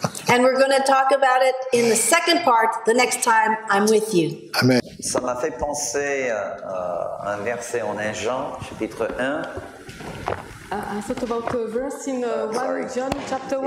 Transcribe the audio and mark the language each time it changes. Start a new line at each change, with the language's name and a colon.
English: And we're going to talk about it in the second part the next time I'm with you. Amen.
French: Ça m'a fait penser à un verset en 1 Jean, chapitre 1.
English: I thought about a verse in 1 John chapter 1.